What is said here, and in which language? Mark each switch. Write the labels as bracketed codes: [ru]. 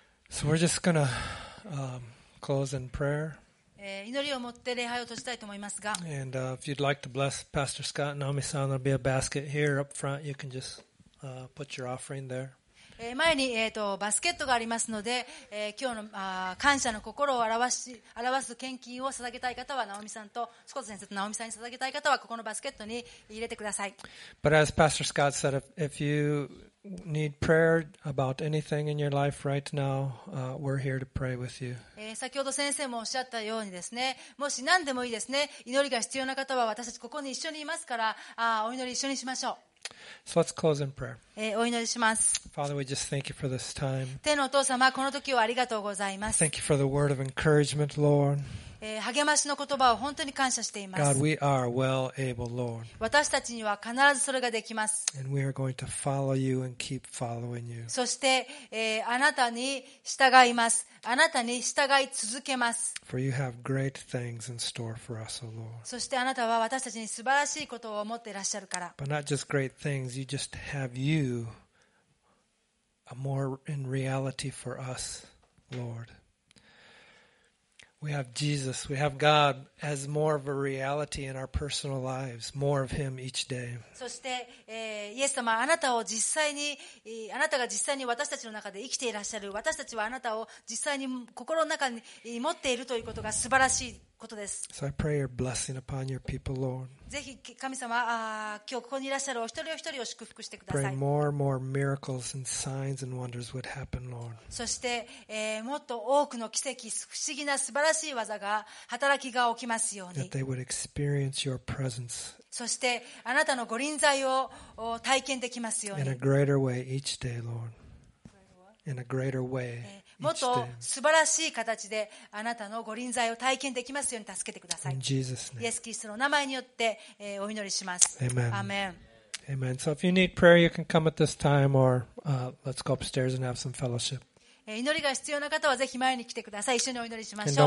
[en] So we're just gonna close in prayer. [ja] 祈りを持って礼拝を閉じたいと思いますが。 [en] And if you'd like to bless Pastor Scott and Naomi-san, there'll be a basket here up front. You can just put your offering there. [ja] 前にバスケットがありますので、今日の感謝の心を表す献金を捧げたい方は、ナオミさんと、スコット先生とナオミさんに捧げたい方は、ここのバスケットに入れてください。 [en] But as Pastor Scott said, if you need prayer about anything in your life right now, we're here to pray with you. [ja] 先ほど先生もおっしゃったようにですね、もし何でもいいですね、祈りが必要な方は、私たちここに一緒にいますから、お祈り一緒にしましょう。 [en] So let's close in prayer. [ja] お祈りします。 [en] Father, we just thank you for this time. [ja] 天のお父様、この時をありがとうございます。 [en] Thank you for the word of encouragement, Lord. [ja] 励ましの言葉を本当に感謝しています。 [en] God, we are well able, Lord. [ja] 私たちには必ずそれができます。 [en] And we are going to follow you and keep following you. [ja] そして、あなたに従います。あなたに従い続けます。 [en] For you have great things in store for us, O Lord. [ja] そしてあなたは私たちに素晴らしいことを思っていらっしゃるから。 [en] But not just great things, you just have you more in reality for us, Lord. We have Jesus, we have God as more of a reality in our personal lives, more of Him each day. [ja] そして、イエス様、あなたを実際に、あなたが実際に私たちの中で生きていらっしゃる、私たちはあなたを実際に心の中に持っているということが素晴らしいことです。 [en] So I pray your blessing upon your people, Lord. [ja] ぜひ神様、今日ここにいらっしゃるお一人お一人を祝福してください。 [en] Pray more and more miracles and signs and wonders would happen, Lord. [ja] そして、もっと多くの奇跡、不思議な素晴らしい技が、働きが起きますように。 [en] That they would experience your presence. [ja] そして、あなたのご臨在を体験できますように。 [en] In a greater way each day, Lord. In a greater way. [ja] もっと素晴らしい形であなたのご臨在を体験できますように助けてください。 [en] In Jesus' name. [ja] イエス・キリストの名前によって、お祈りします。 [en] Amen. Amen. Amen. So if you need prayer, you can come at this time or, let's go upstairs and have some fellowship. [ja] 祈りが必要な方はぜひ前に来てください。一緒にお祈りしましょう。